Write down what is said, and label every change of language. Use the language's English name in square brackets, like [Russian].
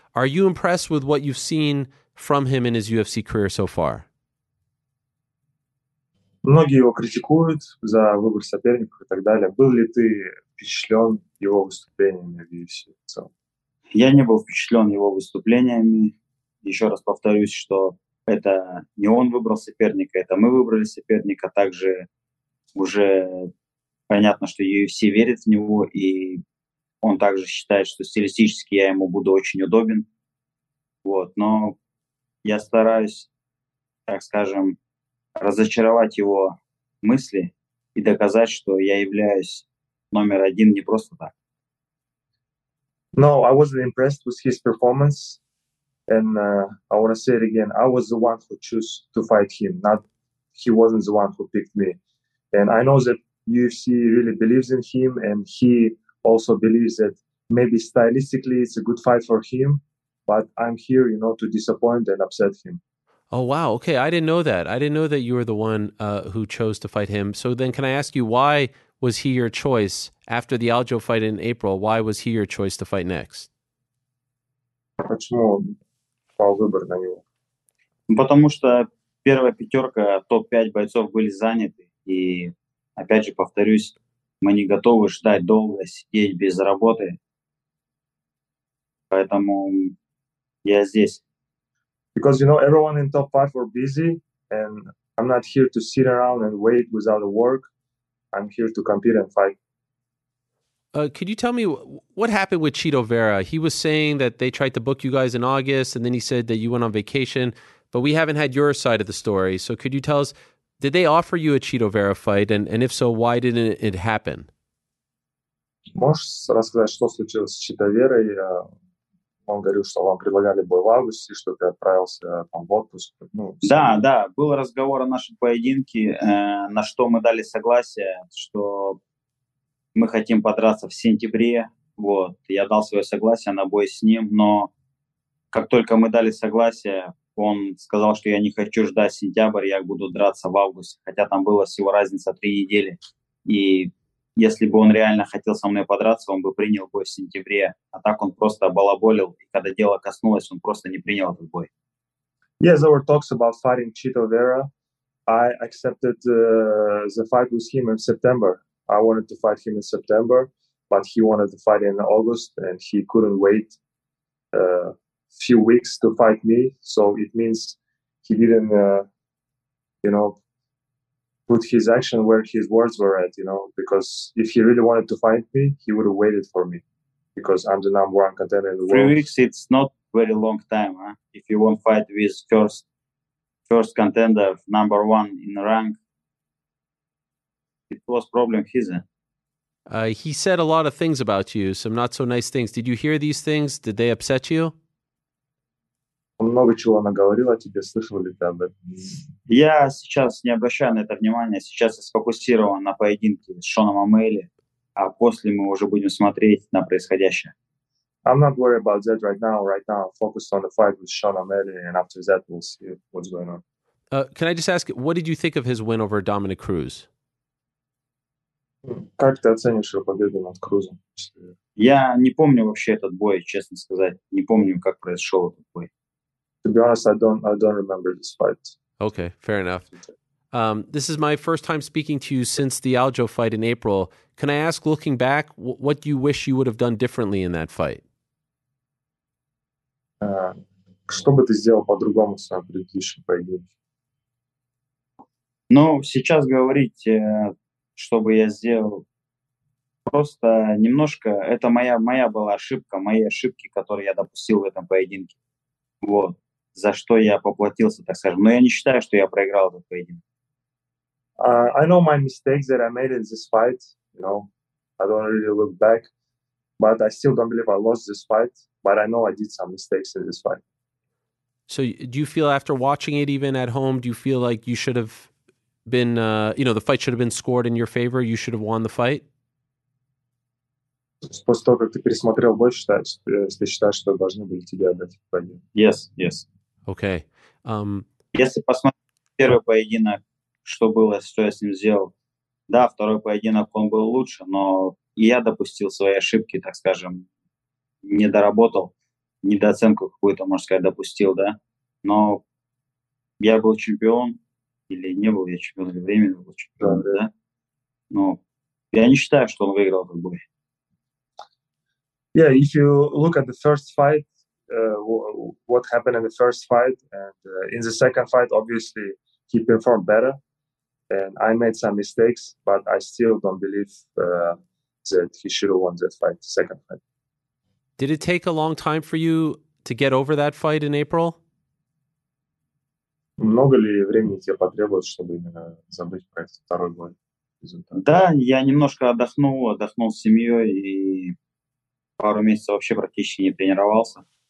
[English] Are you impressed with what you've seen from him in his UFC career so far? [Russian] Многие его критикуют за выбор соперников и так далее. Был ли ты впечатлен его выступлениями в UFC? Я не был впечатлен его выступлениями. Еще раз повторюсь, что это не он выбрал соперника, это мы выбрали соперника. Также уже понятно, что UFC верит в него, и он также считает, что стилистически я ему буду очень удобен. Вот. Но я стараюсь, так скажем, разочаровать его мысли и доказать, что я являюсь номер один не просто так. [English] No, I wasn't impressed with his performance, and I want to say it again. I was the one who chose to fight him, not he wasn't the one who picked me. And I know that UFC really believes in him, and he also believes that maybe stylistically it's a good fight for him, but I'm here, you know, to disappoint and upset him. Oh, wow. Okay, I didn't know that. I didn't know that you were the one who chose to fight him. So then can I ask you why was he your choice after the Aljo fight in April? Why was he your choice to fight next? [Russian] Почему пал выбор на него? Потому что первая пятерка, топ-5 бойцов были заняты. И опять же повторюсь, мы не готовы ждать долго, сидеть без работы. Поэтому я здесь. [English] Because, you know, everyone in top 5 were busy. And I'm not here to sit around and wait without work. I'm here to compete and fight. Could you tell me what happened with Chito Vera? He was saying that they tried to book you guys in August, and then he said that you went on vacation, but we haven't had your side of the story. So could you tell us, did they offer you a Chito Vera fight? And if so, why didn't it happen? [Russian] Можешь рассказать, что случилось с Чито Верой? Он говорил, что вам предлагали бой в августе, что ты отправился там в отпуск. Ну, да, да, был разговор о нашем поединке, на что мы дали согласие, что мы хотим подраться в сентябре. Вот, я дал свое согласие на бой с ним, но как только мы дали согласие, он сказал, что я не хочу ждать сентябрь, я буду драться в августе, хотя там была всего разница 3 недели. И если бы он реально хотел со мной подраться, он бы принял бой в сентябре. А так он просто балаболил. И когда дело коснулось, он просто не принял этот бой. [English] Yes, there were talks about fighting Chito Vera. I accepted the fight with him in September. I wanted to fight him in September, but he wanted to fight in August, and he couldn't wait a few weeks to fight me. So it means he didn't, you know, put his action where his words were at, you know, because if he really wanted to fight me, he would have waited for me, because I'm the number one contender in the world. 3 weeks, it's not very long time, huh? If you won't fight with first contender, number one in the rank, it was problem his. He said a lot of things about you, some not so nice things. Did you hear these things? Did they upset you? [Russian] Много чего она говорила тебе, слышал ли ты об этом? Я сейчас не обращаю на это внимания. Сейчас я сфокусирован на поединке с Шоном Амели, а после мы уже будем смотреть на происходящее. [English] I'm not worried about that right now. Right now, I'm focused on the fight with Sean Amele, and after that, we'll see what's going on. Can I just ask, what did you think of his win over Dominic Cruz? [Russian] Как ты оценишь его победу над Крузом? Я не помню вообще этот бой, честно сказать. Не помню, как произошел этот бой. [English] To be honest, I don't remember this fight. Okay, fair enough. This is my first time speaking to you since the Aljo fight in April. Can I ask, looking back, what do you wish you would have done differently in that fight? [Russian] Что бы ты сделал по-другому в своем предыдущем поединке? Ну, сейчас говорить, что бы я сделал, просто немножко, это моя была ошибка, мои ошибки, которые я допустил в этом поединке. Вот. За что я поплатился, так скажем. Но я не считаю, что я проиграл этот поединок. [English] I know my mistakes that I made in this fight. You know, I don't really look back. But I still don't believe I lost this fight. But I know I did some mistakes in this fight. So do you feel after watching it even at home, do you feel like you should have been, you know, the fight should have been scored in your favor? You should have won the fight? [Russian] После того, как ты пересмотрел больше, ты считаешь, что должны были тебе отдать поединок? [English] Yes, yes. Okay. [Russian] Если посмотреть первый поединок, что было, что я с ним сделал, да, второй поединок, он был лучше, но я допустил свои ошибки, так скажем, не доработал, недооценку какую-то, можно сказать, допустил, да, но я был чемпион, или не был я чемпион, или временно был чемпион, да, ну, я не считаю, что он выиграл этот бой. [English] Yeah, if you look at the first fight, what happened in the first fight, and in the second fight, obviously, he performed better, and I made some mistakes, but I still don't believe that he should have won that fight, the second fight. Did it take a long time for you to get over that fight in April? [Russian] Много ли времени тебе потребовалось, чтобы именно забыть про этот второй бой? Да, я немножко отдохнул с семьей и пару месяцев вообще практически не тренировался.